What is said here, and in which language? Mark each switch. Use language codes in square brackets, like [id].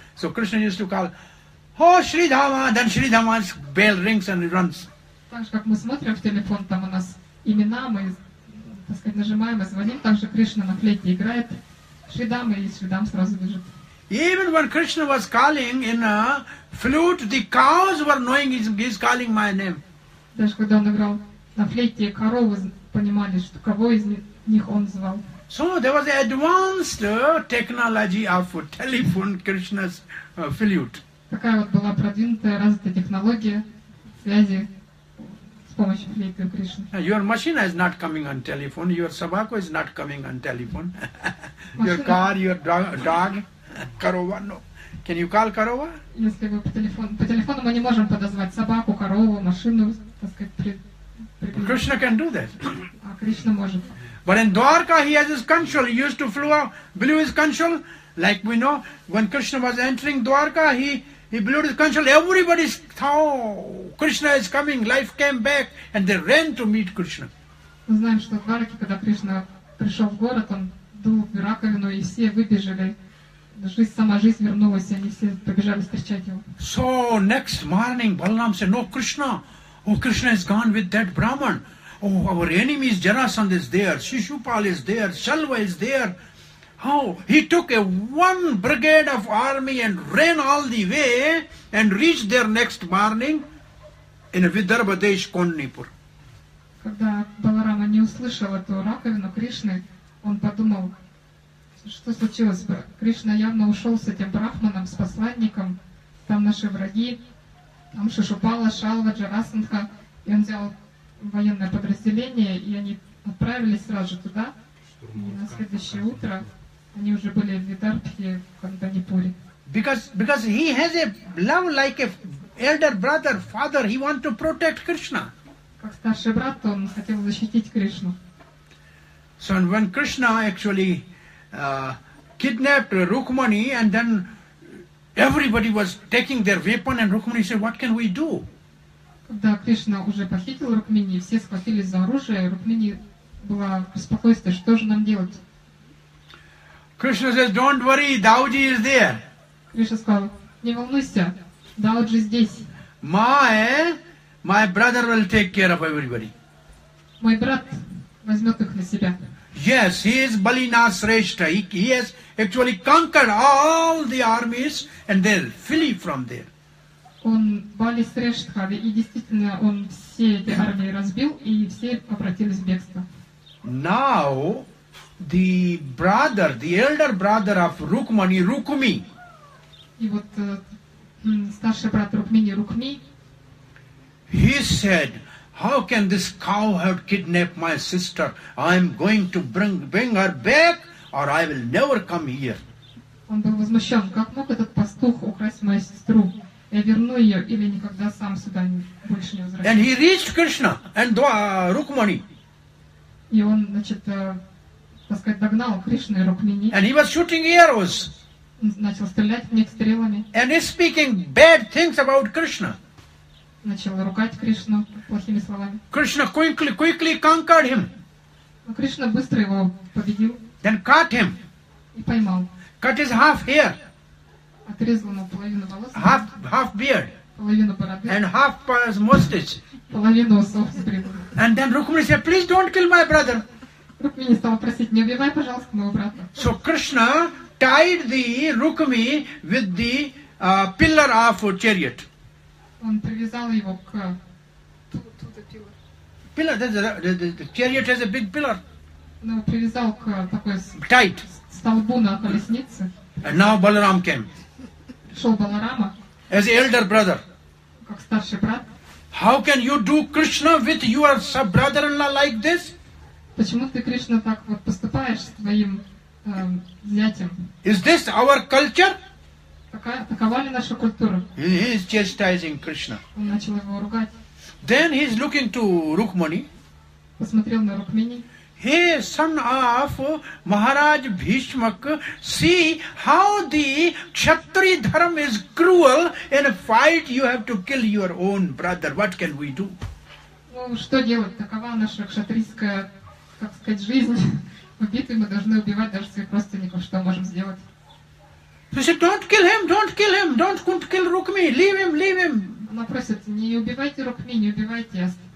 [en] So Krishna used to call, oh, Shri Dhamma, then Shri Dhamma's bell rings and runs. [ru] Так же, как мы смотрим в телефон, там у нас имена, мы, так сказать, нажимаем и звоним, так же Кришна на флейте играет, Шридам, и Шридам сразу бежит. [en] Even when Krishna was calling in a flute, the cows were knowing he's calling my name. [ru] Даже когда он играл на флейте, коровы понимали, что кого из них он звал. [en] So there was advanced technology of telephone Krishna's flute. [ru] Такая вот была продвинутая, развитая технология связи. [en] Your machine is not coming on telephone. Your sabako is not coming on telephone. Your car, your dog, корова, no. Can you call корова? [ru] Если вы по телефону мы не можем подозвать собаку, корову, машину, так сказать, [en] Krishna can do that. [ru] А Кришна может. [en] But in Dwarka he has his control. He used to blew his control. Like we know, when Krishna was entering Dwarka, He blew his conch shell, everybody thought, oh, Krishna is coming, life came back, and they ran to meet Krishna. [ru] Мы знаем, что в Двараке, когда Кришна пришел в город, он дул в раковину, и все выбежали. Жизнь, сама жизнь вернулась, и они все побежали встречать его. [en] So, next morning, Balaram said, no, Krishna, oh, Krishna has gone with that Brahman. Oh, our enemy is Jarasandh is there, Shishupal is there, Shalva is there. How? He took one brigade of army and ran all the way and reached there next morning in Vidarbhadesh, Kondanipur. [ru] Когда Баларама не услышал эту раковину Кришны, он подумал, что случилось бы. Кришна явно ушел с этим брахманом, с посланником там наши враги, там Шишупала, Шалва, Джарасандха. И он взял военное подразделение, и они отправились сразу же туда. И на следующее утро они уже были в Видарбхе, в Канданипуре. [en] Because he has a love like a elder brother, father, he wants to protect Krishna. [ru] Как старший брат, он хотел защитить Кришну. [en] So when Krishna actually kidnapped Rukmani, and then everybody was taking their weapon, and Rukmani said, "What can we do?" [ru] Когда Кришна уже похитил Рукмини, все схватились за оружие. Рукмини была в беспокойстве. Что же нам делать? [en] Krishna says, "Don't worry, Dauji is there." [ru] Кришна сказал, не волнуйся, Дауджи здесь. [en] My brother will take care of everybody. [ru] Мой брат возьмет их на себя. [en] Yes, he is Balina Sreshta. He has actually conquered all the armies and they'll flee from there. [ru] Он Бали Срештха, и действительно он все эти армии разбил, и все обратились в бегство. [en] Now, the brother, the elder brother of Rukmani, Rukmi. [ru] И вот старший брат Рукмини, Рукми. [en] He said, "How can this cowherd kidnap my sister? I am going to bring her back, or I will never come here." [ru] Он был возмущен. Как мог этот пастух украсть мою сестру? Я верну ее или никогда сам сюда больше не возвращусь. [en] And he reached Krishna and Dwa Rukmani. [ru] И он, значит, так сказать, догнал Кришну и Рукмини. [en] And he was shooting arrows. [ru] Начал стрелять в них стрелами. [en] And he's speaking bad things about Krishna. [ru] Начал ругать Кришну плохими словами. [en] Krishna quickly conquered him. [ru] Но Кришна быстро его победил. [en] Then caught him. [ru] И поймал. [en] Cut his half hair. [ru] Отрезал ему половину волос. [en] Half beard. [ru] Половину бороды. [en] And half mustache. [ru] Половину усов стрелял. [en] And then Rukmini said, "Please don't kill my brother." [ru] Рукмини стал просить, не убивай, пожалуйста, моего брата. [en] So Krishna tied the Rukmi with the pillar of a chariot. [ru] Он привязал его к [en] pillar. The chariot has a big pillar. [ru] Но привязал к такой [en] tight [ru] столбу на колеснице. [en] And now Balaram came. [ru] Шел Баларама. [en] As elder brother. [ru] Как старший брат. [en] How can you do Krishna with your sub brother-in-law like this? [ru] Почему ты Кришна так вот поступаешь с твоим зятем? [en] Is this our culture? [ru] Такова ли наша культура? [en] He is chastising Krishna. [ru] Он начал его ругать. [en] Then he is looking to Rukmani. [ru] Посмотрел на Рукмини. [en] Hey, son of Maharaj Bhishmak, see how the Kshatri dharma is cruel. In a fight, you have to kill your own brother. What can we do? [ru] Ну что делать? Такова наша кшатрийская, как сказать, жизнь. В битве мы должны убивать даже своих родственников. Что можем сделать? [en] She said, "Don't kill him! Don't kill him! Don't kill Rukmi! Leave him! Leave him!" [ru] Она просит, не убивайте Рукми, не убивайте.